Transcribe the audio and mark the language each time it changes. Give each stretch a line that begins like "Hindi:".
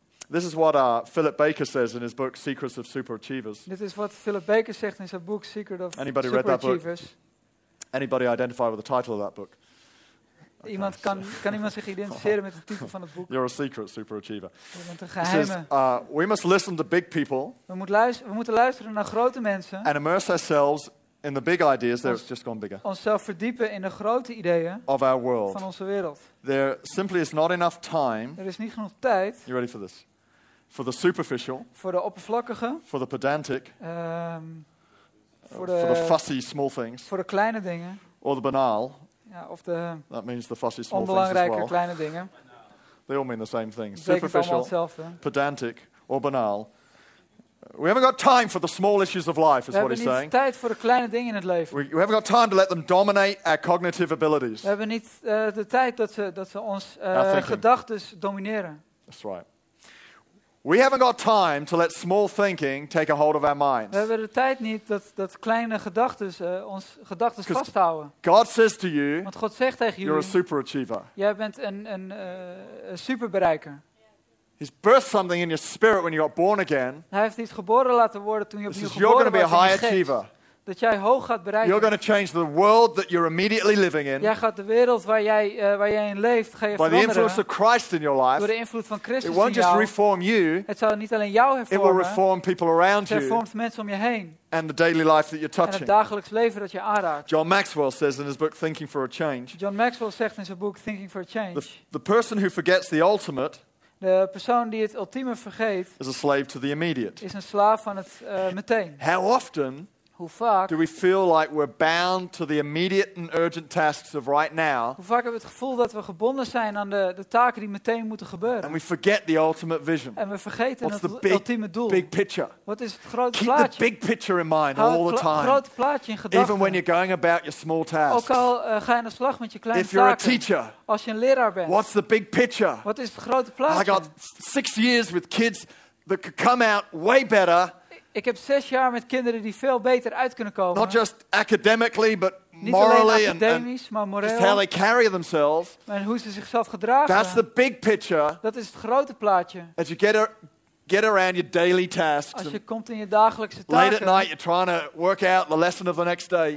English: This is what Philip Baker says in his book Secrets of Superachievers.
Dutch: Dit is wat Philip Baker zegt in zijn boek Secret of
English: Anybody Superachievers. Read that book? Anybody identify with the title of that book?
Dutch: Okay, iemand kan so. Kan iemand zich identificeren met de titel van het boek?
English: You're a secret superachiever.
Dutch: Je bent een geheime.
English: He says, we must listen to big people.
Dutch: We moeten luisteren naar grote mensen.
English: And immerse ourselves in the big ideas, they're just gone bigger.
Dutch: Onszelf verdiepen in de grote ideeën
English: of our world.
Dutch: Van onze wereld.
English: There simply is not enough time.
Dutch: Er is niet genoeg tijd.
English: You ready for this? For the superficial,
Dutch: voor de oppervlakkige,
English: for the pedantic, for the fussy small things,
Dutch: voor de kleine dingen,
English: or the banal,
Dutch: ja, of de
English: that means the fussy small
Dutch: onbelangrijke
English: things as well.
Dutch: Kleine dingen.
English: They all mean the same thing.
Dutch: Betekent
English: superficial,
Dutch: hetzelfde.
English: Pedantic, or banal. We haven't got time for the small issues of life, is we
Dutch: We hebben niet tijd voor de kleine dingen in het leven.
English: We haven't got time to let them dominate our cognitive abilities.
Dutch: We hebben niet de tijd dat ze ons gedachtes domineren.
English: That's right. We haven't got time to let small thinking take a hold of our minds.
Dutch: We hebben de tijd niet dat kleine gedachten ons gedachten vasthouden.
English: God says to you.
Dutch: Want God zegt tegen jullie.
English: You're a superachiever.
Dutch: Jij bent een superbereiker.
English: He's birthed something in your spirit when you got born again.
Dutch: Hij heeft iets geboren laten worden toen je opnieuw geboren werd.
English: You're going to be a high achiever.
Dutch: Dat jij hoog gaat bereiken.
English: You're going to change the world that you're immediately living in.
Dutch: Jij gaat de wereld waar jij in leeft, ga je veranderen.
English: By the influence of Christ in your life.
Dutch: Door de invloed van Christus in
English: jou. It won't just reform you.
Dutch: Het zal niet alleen jou hervormen.
English: It will reform people around you.
Dutch: Het hervormt mensen om je heen.
English: And the daily life that you're touching.
Dutch: En het dagelijks leven dat je aanraakt.
English: John Maxwell says in his book Thinking for a Change.
Dutch: John Maxwell zegt in zijn boek Thinking for a Change.
English: The person who forgets the ultimate.
Dutch: De persoon die het ultieme vergeet.
English: Is a slave to the immediate.
Dutch: Is een slaaf van het meteen.
English: How often?
Dutch: Hoe vaak?
English: Do we feel like we're bound to the immediate and urgent tasks of right now?
Dutch: Hoe vaak hebben we het gevoel dat we gebonden zijn aan de taken die meteen moeten gebeuren?
English: And we forget the ultimate vision.
Dutch: En we vergeten
English: What's
Dutch: het ultieme doel.
English: Big picture.
Dutch: Wat is het grote
English: Keep
Dutch: plaatje?
English: The big picture in mind all the time.
Dutch: Houd het grote plaatje in gedachten.
English: Even when you're going about your small tasks.
Dutch: Ook al ga je aan de slag met je kleine
English: If you're
Dutch: taken.
English: A teacher,
Dutch: als je een leraar bent.
English: What's the big picture?
Dutch: Wat is het grote plaatje?
English: I got 6 years with kids that could come out way better.
Dutch: Ik heb 6 jaar met kinderen die veel beter uit kunnen komen.
English: Not just academically, but
Dutch: niet
English: morally
Dutch: academisch,
English: and
Dutch: maar moreel.
English: Just how they carry themselves.
Dutch: En hoe ze zichzelf gedragen.
English: That's the big picture.
Dutch: Dat is het grote plaatje.
English: As you get around your daily tasks.
Dutch: Als je komt in je dagelijkse taken.
English: Late at night, you're trying to work out the lesson of the next day.